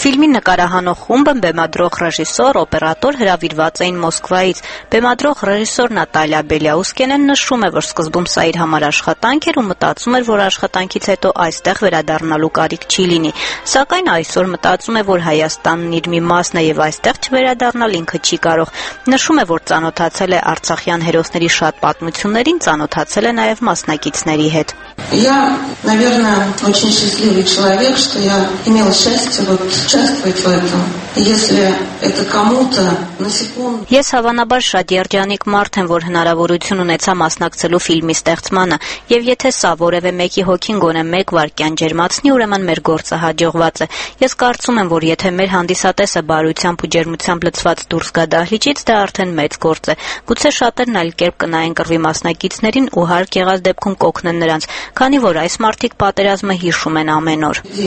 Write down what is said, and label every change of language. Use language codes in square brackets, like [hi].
[hy] նկարահանող խումբը բեմադրող ռեժիսոր, օպերատոր հրավիրված էին Մոսկվայից։ Բեմադրող ռեժիսոր Նատալիա Բելյաուսկենեն նշում է, որ սկզբում սա իր համար աշխատանք էր ու մտածում էր, որ աշխատանքից հետո այստեղ վերադառնալու կարիք չի լինի, սակայն այսօր մտածում է, որ Հայաստանն իր մի մասն է եւ այստեղ չվերադառնալ ինքը չի կարող։ Նշում է, որ ծանոթացել է արցախյան հերոսների շատ պատմություններին, ծանոթացել է նաեւ մասնակիցների հետ։ [ru] Я, наверное, очень счастливый человек, что я имела счастье вот участвовать в этом. Если это кому-то на секунду. [hy] Ես հավանաբար շատ երջանիկ մարդ եմ, որ հնարավորություն ունեցա մասնակցելու ֆիլմի ստեղծմանը, եւ եթե սա որևէ մեկի հոգին գոնե մեկ վայրկյան ջերմացնի, ուրեմն մեր գործը հաջողված է։ Ես կարծում եմ, որ եթե մեր հանդիսատեսը բարությամբ ու ջերմությամբ լցված դուրս գա դահլիճից, դա արդեն մեծ գործ է։ Գուցե շատերն այլ կերպ կնայեն կռվի մասնակիցներին ու հարկ եղած դեպքում կօգնեն նրանց, քանի որ այս մարդիկ պատերազմը հիշում են ամեն օր։